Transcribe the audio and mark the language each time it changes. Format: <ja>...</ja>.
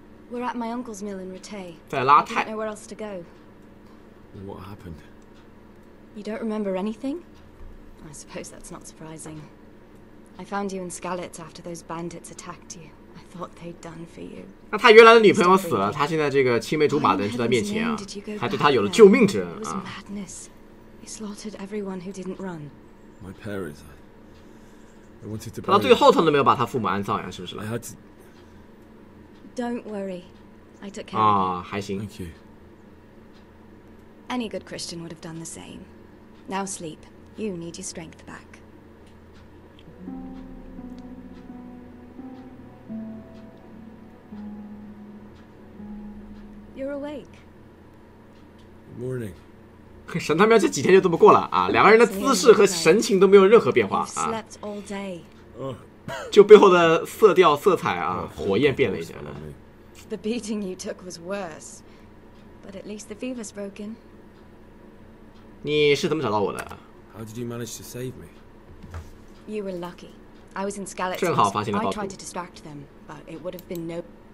<en>We're at my uncle's mill in Rattay.</en> <zh>在拉泰。</zh> <en>I don't know where else to go. What happened? You don't remember anything? I suppose that's not surprising. I found you in Scalitz after those bandits attacked you. I thought they'd done for you.</en> <zh>那他原来的女朋友死了，他现在这个青梅竹马的人就在面前啊，还对他有了救命之恩啊。</zh> <en>It was madness. They slaughtered everyone who didn't run. My parents. I wanted to.</en> <zh>到最后他都没有把他父母安葬呀，是不是</zh> <en>？I had to. Don't worry. I took care of you.</en> <zh>啊，还行。</zh> <en>Thank you. Any good Christian would have done the same. Now sleep. You need your strength back. You're awake. Good morning.</en> <zh>神他喵这几天就这么过了啊！两个人的姿势和神情都没有任何变化啊！</zh> <en>You've slept all day.</en> <zh>就背后的色调色彩啊，火焰变了一点了。</zh> <en>The beating you took was worse, but at least the fever's broken.</en> <zh>你是怎么找到我的</zh> <en>？How did you manage to save me? You were lucky. I was in Scalitz.</en> <zh>正好发现了报复。</zh> <en>I tried to distract them, but it would have been no.</en>